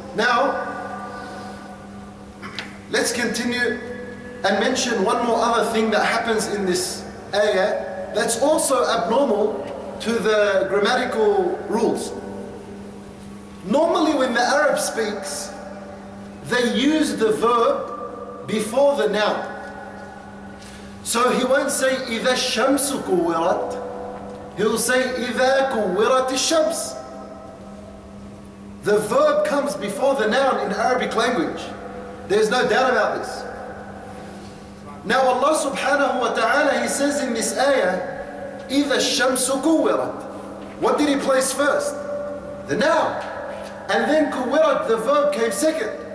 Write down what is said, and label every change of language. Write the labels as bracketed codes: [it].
[en] Now, let's continue and mention one more other thing that happens in this ayah that's also abnormal to the grammatical rules. Normally when the Arab speaks, they use the verb before the noun. So he won't say [ar] إِذَا الشَّمْسُ كُوِّرَتْ. [en] He'll say [ar] إِذَا كُوِّرَتِ الشَّمْسُ. [en] The verb comes before the noun in Arabic language. There's no doubt about this. Now Allah subhanahu wa ta'ala, He says in this ayah, [ar] إِذَا الشَّمْسُ كُوِّرَتْ. [en] What did He place first? The noun. And then كُوِّرَتْ, the verb, came second.